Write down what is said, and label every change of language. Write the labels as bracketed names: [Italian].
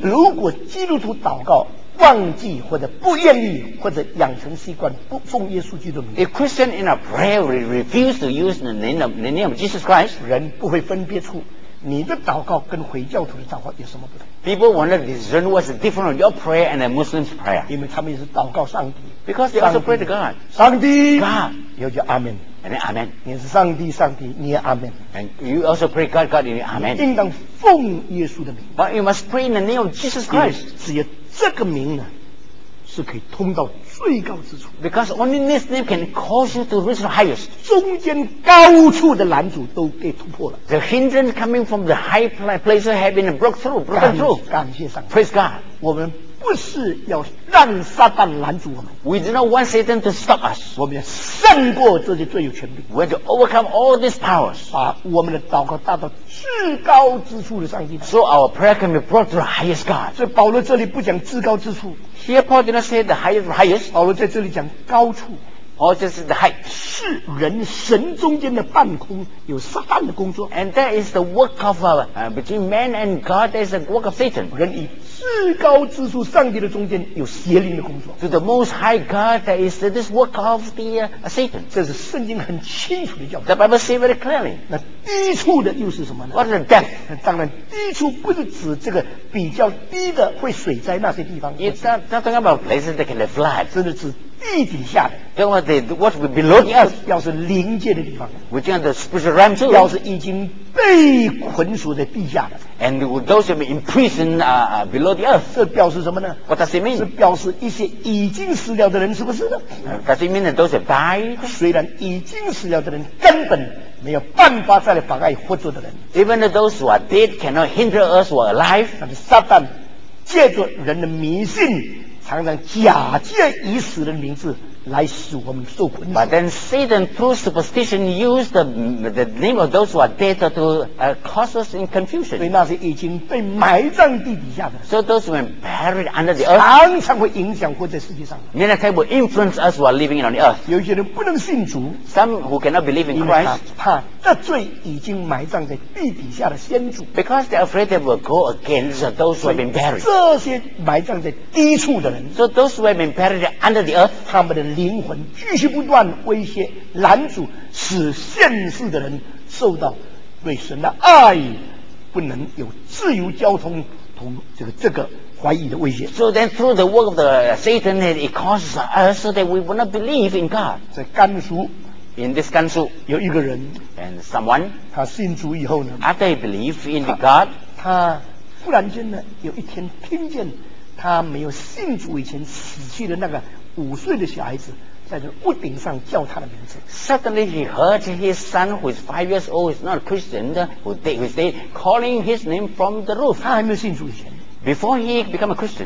[Chinese] 如果基督徒祷告忘记或者不愿意或者养成习惯不奉耶稣基督的名。 [English] A Christian in a prayer will refuse to use the name of Jesus Christ. [Chinese] 人不会分别出你的祷告跟回教徒的祷告有什么不同。 [English] People want to discern what's the difference of your prayer and a Muslim's prayer. [Chinese] 因为他们也是祷告上帝。 [English] Because they also pray to God. [Chinese] 上帝。 [English] God. [Chinese] 又叫阿门。 [English] And then Amen. [Chinese] 你是上帝，上帝，你也 Amen. [English] And you also pray God, God, in Amen. [Chinese] 应当奉耶稣的名。 [English] But you must pray in the name of Jesus Christ. [Chinese] 只有这个名呢，是可以通到最高之处。 [English] Because only this name can cause you to reach the highest. [Chinese] 中间高处的拦阻都给突破了。 [English] The hindrance coming from the high places have been broken through. [Chinese] 感谢上帝。 [English] Praise God. [Chinese] 我们不是要让撒旦拦住我们。 [English] We do not want Satan to stop us. [Chinese] 我们要胜过这些最有权柄。 [English] We have to overcome all these powers. [Chinese] 把我们的祷告带到至高之处的上帝。 [English] So our prayer can be brought to the highest God. [Chinese] 所以保罗这里不讲至高之处。 [English] Here Paul did not say the highest. [Chinese] 保罗在这里讲高处。 [English] Paul says the height. [Chinese] 是人神中间的半空，有撒旦的工作。 [English] And that is the work of between man and God. That is the work of Satan. [Chinese] 人以至高之处，上帝的中间有邪灵的工作。 [English] So the Most High God, that is this work of the Satan. [Chinese] 这是圣经很清楚的教导。 [English] The Bible says very clearly. [Chinese] 那低处的又是什么呢 [English] ？What is the depth? [Chinese] 当然，低处不是指这个比较低的会水灾那些地方。 [English] It's not talking about places that can flood. [Chinese] 真的是地底下的。 [English] Then what will be below the earth? [Chinese] 要是灵界的地方。 [English] Which are the spiritual realm too? [Chinese] 要是已经被捆锁在地下的。 [English] And those have been imprisoned below the earth. [Chinese] 这表示什么呢 [English] ？What does it mean? [Chinese] 是表示一些已经死了的人，是不是呢 [English] ？Does it mean that those have died? [Chinese] 虽然已经死了的人根本没有办法再来妨碍活着的人。 [English] Even those who are dead cannot hinder us who are alive. [Chinese] 但是撒旦借着人的迷信，常常假借已死的名字来使我们受捆绑。 [English] But then Satan, through superstition, used the name of those who are dead to cause us in confusion. [Chinese] 所以那些已经被埋葬地底下的。 [English] So those who are buried under the earth. [Chinese] 常常会影响活在世界上。 [English] Many times will influence us who are living on the earth. [Chinese] 有些人不能信主。 [English] Some who cannot believe in Christ. [Chinese] 怕得罪已经埋葬在地底下的先祖。 [English] Because they're afraid they will go against those who have been buried. [Chinese] 这些埋葬在低处的人。 [English] So those who have been buried under the earth. [Chinese] 他们的灵魂继续不断威胁拦阻，使现世的人受到对神的爱不能有自由交通同这个怀疑的威胁。 [English] So then through the work of the Satan, it causes us so that we will not believe in God. [Chinese] 在甘肃 [English] ，in this 甘肃 [Chinese] 有一个人 [English] ，and someone [Chinese] 他信主以后呢 [English] ，after he believed in the God, [Chinese] 他忽然间呢有一天听见他没有信主以前死去的那个五岁的小孩子在这屋顶上叫他的名字。 [English] Suddenly he heard his son who is 5 years old, is not a Christian, who is dead, calling his name from the roof. [Chinese] 他还没有信主以前。 [English] Before he became a Christian,